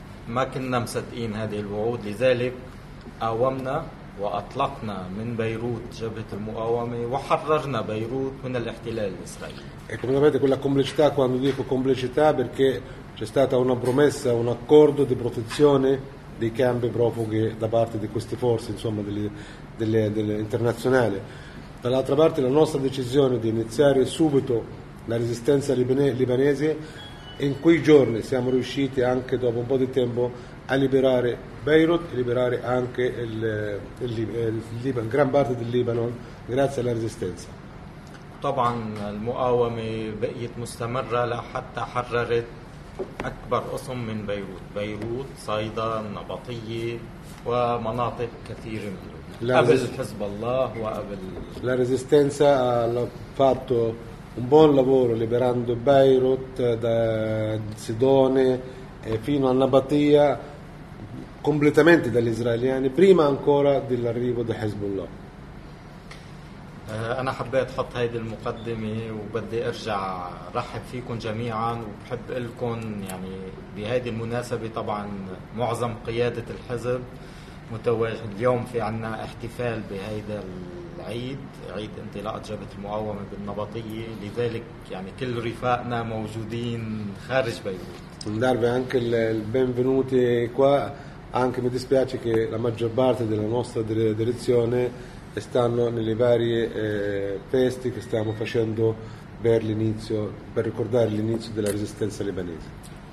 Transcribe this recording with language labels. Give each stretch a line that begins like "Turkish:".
Arabic: ما كنا مصدقين هذه الوعود، لذلك قاومنا وأطلقنا من بيروت جبهة المقاومة وحررنا بيروت من الاحتلال الإسرائيلي.
Italian: Come sapete, quella complicità, quando dico complicità, perché c'è stata una promessa, un accordo di protezione dei campi profughi da parte di queste forze, insomma, delle internazionali. Dall'altra parte, la nostra decisione di iniziare subito la resistenza libanese, in quei giorni siamo riusciti anche dopo un po' di tempo a liberare Beirut e liberare anche il Libano, gran parte del Libano, grazie alla resistenza.
Arabic: طبعا المقاومة بقيت مستمرة لحتى حررت أكبر قسم من بيروت، بيروت، صيدا، النبطية ومناطق كثيرة من قبل حزب الله وقبل
Italian: La resistenza ha fatto un buon lavoro liberando Beirut da Sidone fino a Nabatia completamente dagli israeliani prima ancora dell'arrivo di Hezbollah.
Arabic: أنا حبيت حط هذه المقدمة وبدي أرجع رحب فيكم جميعا وبحب لكم يعني بهذه المناسبة طبعا معظم قيادة الحزب متواجد اليوم في عنا احتفال بهذا العيد عيد انطلاق جبهة المقاومة بالنبطية لذلك يعني كل رفاقنا موجودين خارج بيروت.
Italian: Darvi anche il benvenuti qua. Anche mi dispiace che la maggior parte della nostra direzione stanno nelle varie feste che stiamo facendo per l'inizio, per ricordare l'inizio della resistenza libanese.